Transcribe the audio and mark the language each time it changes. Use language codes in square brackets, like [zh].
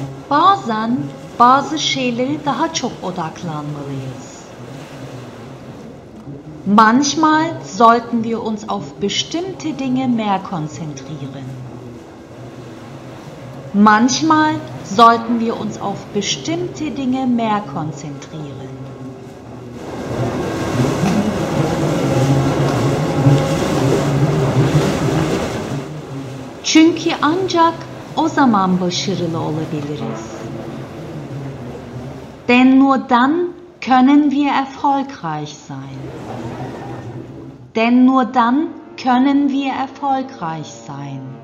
[tr] Bazen bazı şeylere daha çok odaklanmalıyız. [de] Manchmal sollten wir uns auf bestimmte Dinge mehr konzentrieren. Manchmal sollten wir uns auf bestimmte Dinge mehr konzentrieren. [tr] Çünkü ancak o zaman başarılı olabiliriz. [de] Denn nur dann können wir erfolgreich sein. Denn nur dann können wir erfolgreich sein.